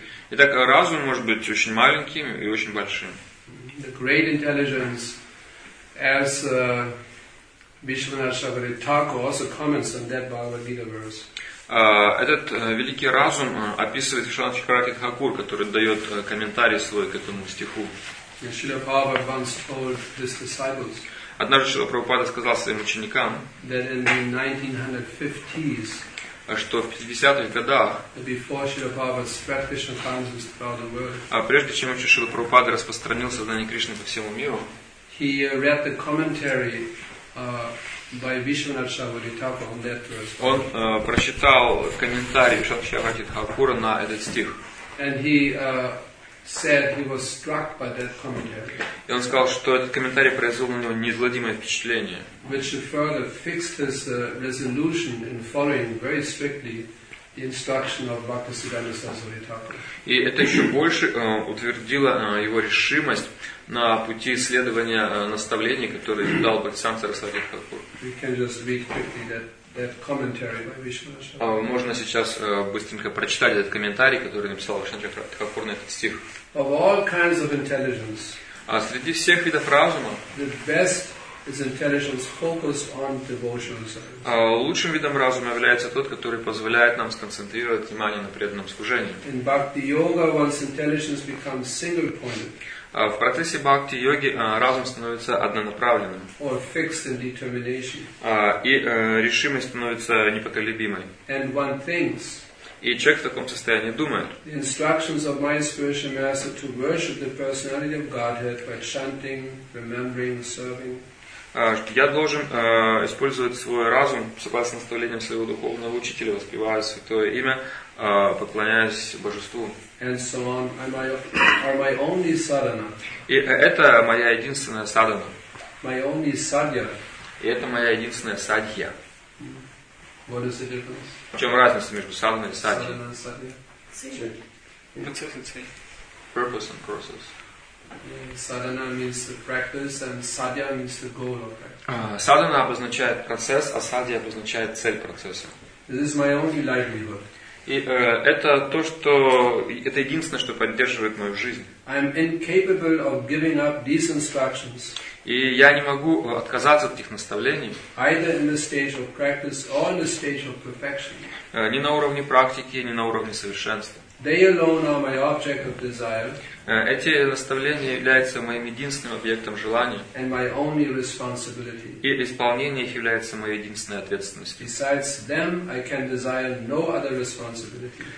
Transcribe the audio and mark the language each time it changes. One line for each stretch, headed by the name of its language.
Russian: Итак, разум может быть очень маленьким и очень большим.
English: The great intelligence, as Vishwanath Chakravarti Thakur also comments on that Bhagavad Gita verse.
Russian: Этот великий разум описывает Вишванатх Чакраварти Тхакур, который дает комментарий свой к этому стиху.
English: Srila Prabhupada once told his disciples.
Russian: Однажды Шрила Прабхупада сказал своим ученикам,
English: that in the 1950s,
Russian: что в 50-х годах,
English: before Srila Prabhupada spread Krishna consciousness throughout the world,
Russian: прежде чем учитель Шрила Прабхупада распространил сознание Кришны по всему миру,
English: he read the commentary by Vishwanath Chakravarti Thakur on that verse.
Russian: Он прочитал комментарий Вишванатха Чакраварти Тхакура на этот стих.
English: And he said he was struck by that commentary.
Russian: И он сказал, что этот комментарий произвел на него неизгладимое впечатление.
English: Which further fixed his resolution in following very strictly the instruction of Bhaktisiddhanta Saraswati Thakur.
Russian: И это еще больше утвердило его решимость на пути следования наставлений, которые дал Бхактисиддханта Сарасвати Тхакур.
English: We can just read quickly that commentary by Vishwanatha.
Russian: Можно сейчас быстренько прочитать этот комментарий, который написал Вишванатха Тхакур на этот стих.
English: Of all kinds of intelligence.
Russian: Среди всех видов разума.
English: The best is intelligence focused on devotional service.
Russian: Лучшим видом разума является тот, который позволяет нам сконцентрировать внимание на преданном служении.
English: In Bhakti Yoga, once intelligence becomes single-pointed.
Russian: В процессе бхакти-йоги разум становится однонаправленным.
English: Or fixed in determination.
Russian: Решимость становится непоколебимой.
English: And one thinks.
Russian: И человек в таком состоянии думает.
English: The instructions of my spiritual master to worship the personality of Godhead by chanting, remembering, serving.
Russian: Я должен использовать свой разум согласно наставлениям своего духовного учителя, воспевая святое имя, поклоняясь божеству.
English: And so on. Are my only sadhana.
Russian: И это моя единственная садхана.
English: My only sadhya.
Russian: И это моя единственная садхья.
English: What is the difference?
Russian: В чем разница между садханой и садхьей? Садхана и садхья. Цель.
English: What's the difference? Purpose and process. Sadhana means the practice, and sadhya means the goal of practice.
Russian: Sadhana обозначает процесс, а садхья обозначает цель процесса.
English: This is my only livelihood.
Russian: И это единственное, что поддерживает мою жизнь.
English: I'm incapable of giving up these instructions.
Russian: И я не могу отказаться от этих наставлений.
English: Either in the stage of practice or in the stage of perfection.
Russian: Ни на уровне практики, ни на уровне совершенства.
English: They alone are my object of desire.
Russian: Эти наставления являются моим единственным объектом желания.
English: And my only responsibility.
Russian: И исполнение их является моей единственной ответственностью.
English: Besides them, I can desire no other responsibility.